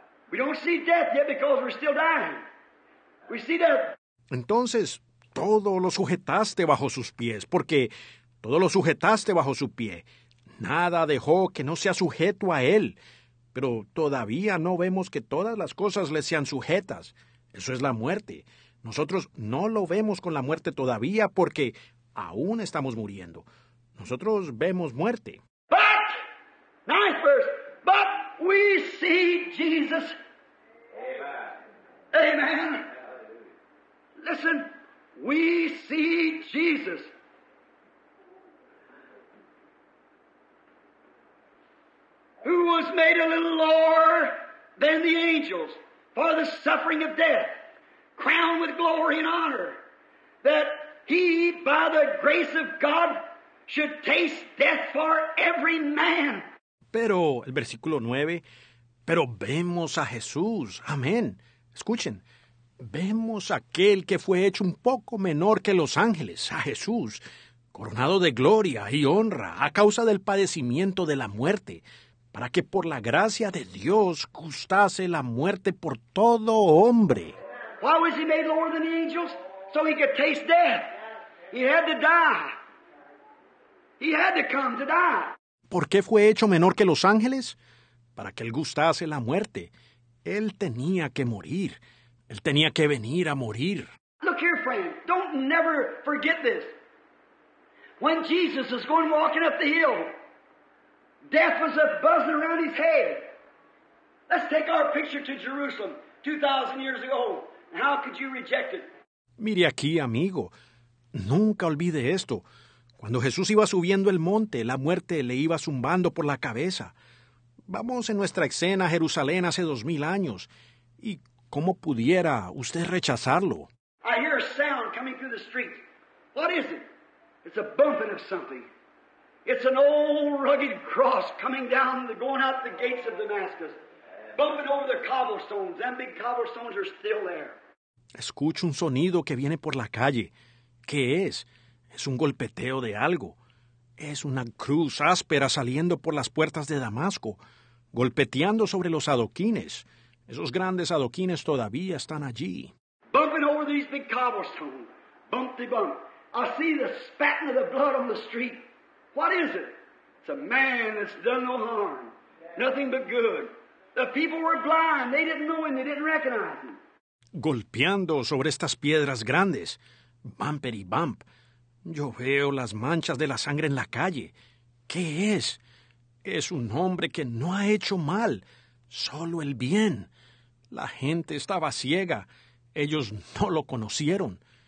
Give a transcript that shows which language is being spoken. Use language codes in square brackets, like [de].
[en] We don't see death yet because we're still dying. We see death. [es] Entonces, todo lo sujetaste bajo sus pies, porque todo lo sujetaste bajo su pie. Nada dejó que no sea sujeto a él. Pero todavía no vemos que todas las cosas le sean sujetas. Eso es la muerte. Nosotros no lo vemos con la muerte todavía porque aún estamos muriendo. Nosotros vemos muerte. [en] But, ninth verse, but we see Jesus. Amen. Amen. Listen, we see Jesus. Who was made a little lower than the angels for the suffering of death. Crowned with glory and honor, that he, by the grace of God, should taste death for every man. [es] Pero, el versículo 9, pero vemos a Jesús, amén. Escuchen, vemos a aquel que fue hecho un poco menor que los ángeles, a Jesús, coronado de gloria y honra a causa del padecimiento de la muerte, para que por la gracia de Dios gustase la muerte por todo hombre. [en] Why was he made lower than the angels? So he could taste death. He had to die. He had to come to die. [es] ¿Por qué fue hecho menor que los ángeles? Para que él gustase la muerte. Él tenía que morir. Él tenía que venir a morir. [en] Look here, friend. Don't never forget this. When Jesus is going walking up the hill, Death was a buzzing around his head. Let's take our picture to Jerusalem 2,000 years ago. How could you reject it? [es] Mire aquí, amigo. Nunca olvide esto. Cuando Jesús iba subiendo el monte, la muerte le iba zumbando por la cabeza. Vamos en nuestra escena a Jerusalén hace 2,000 años. ¿Y cómo pudiera usted rechazarlo? [en] I hear a sound coming through the street. What is it? It's a bumping of something. It's an old rugged cross coming down, going out the gates of Damascus. Bumping over the cobblestones. Them big cobblestones are still there. [es] Escucho un sonido que viene por la calle. ¿Qué es? Es un golpeteo de algo. Es una cruz áspera saliendo por las puertas de Damasco, golpeteando sobre los adoquines. Esos grandes adoquines todavía están allí. [en] Bumping over these big cobblestones. Bump-de-bump. I see the spatting of the blood on the street. What is it? It's a man that's done no harm. Nothing but good. The people were blind. They didn't know him. They didn't recognize him. [es] Golpeando sobre estas piedras grandes. Bumpity-bump. Yo veo las manchas de la sangre en la calle. ¿Qué es? Es un hombre que no ha hecho mal, solo el bien. La gente estaba ciega. Ellos no lo conocieron.